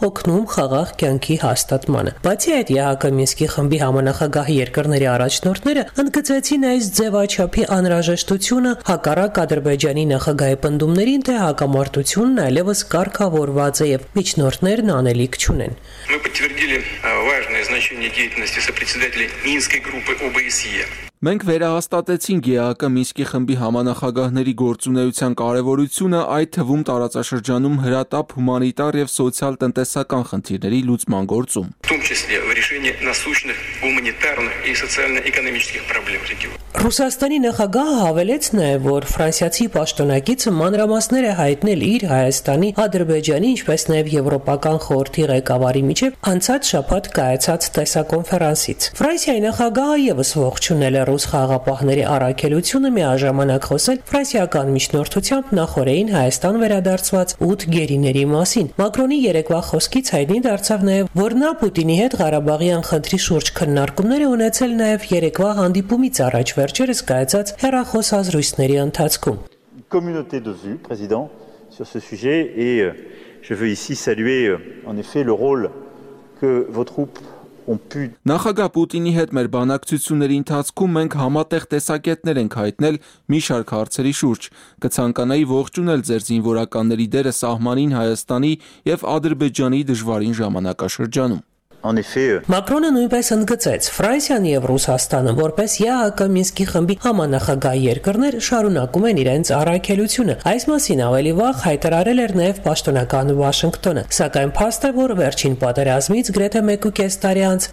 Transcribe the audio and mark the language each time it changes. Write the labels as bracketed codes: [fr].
[hy] օգնում խաղաղ կյանքի հաստատմանը։ Բացի այդ, ԵԱՀԿ Մինսկի խմբի համանախագահի երկրների առաջնորդ ընդգծեցին այս ձևաչափի անհրաժեշտությունը հակառակ Ադրբեջանի նախագահի պնդումներին, թե հակամարտությունն այլևս կարգավորված է եւ միջնորդներն անելիք չունեն։ [ru] Мы подтвердили важное значение деятельности сопредседателя Минской группы ОБСЕ։ [hy] Մենք վերահաստատեցինք ԵԱՀԿ Մինսկի խմբի համանախագահների գործունեության կարևորությունը, այդ թվում տարածաշրջանում հրատապ հումանիտար եւ սոցիալ-տնտեսական խնդիրների լուծման գործում։ [ru] В том числе в решении насущных гуманитарных и социально-экономических проблем региона։ [hy] Ռուսաստանի նախագահը հավելեց նաև, որ ֆրանսիացի պաշտոնակիցը մանրամասներ է հայտնել իր Հայաստանի, Ադրբեջանի, ինչպես նաև Եվրոպական խորհրդի ղեկավարի միջև անցած շաբաթ կայացած տեսակոնֆերանսից։ Ֆրանսիայի նախագահը ևս ողջունել է ռուս խաղաղապահների առաքելությունը, միաժամանակ խոսել ֆրանսիական միջնորդությամբ նախորդային Հայաստան վերադարձված 8 գերիների մասին։ Մակրոնի երեկվա խոսքից հայտնի դարձավ նաև, որ նա Պուտինի հետ Ղարաբաղյան խնդրի շուրջ քննարկումներ է ունեցել նաև երեկվա հանդիպումից առաջ վերջերս կայացած հեռախոս հազրույցների ընթացքում։ [fr] Communauté de vue, président, sur ce sujet et je veux ici saluer en effet le rôle que vos troupes [hy] Նախագահ Պուտինի հետ մեր բանակցությունների ընթացքում մենք համատեղ տեսակետներ ենք հայտնել մի շարք հարցերի շուրջ։ Կցանկանայի ողջունել ձեր զինվորականների դերը սահմանին Հայաստանի և Ադրբեջանի դժվարին ժամանակաշրջանում։ [fr] En effet, [hy] Macron [fr] a nous pas [hy] ընդգծեց Ֆրանսիան եւ Ռուսաստանը որպես ԵԱՀԿ Մինսկի խմբի համանախագահ երկրներ շարունակում են իրենց առաքելությունը։ Այս մասին ավելի վաղ հայտարարել էր նաեւ պաշտոնական Վաշինգտոնը, սակայն փաստ է, որ վերջին պատերազմից գրեթե 1.5 տարի անց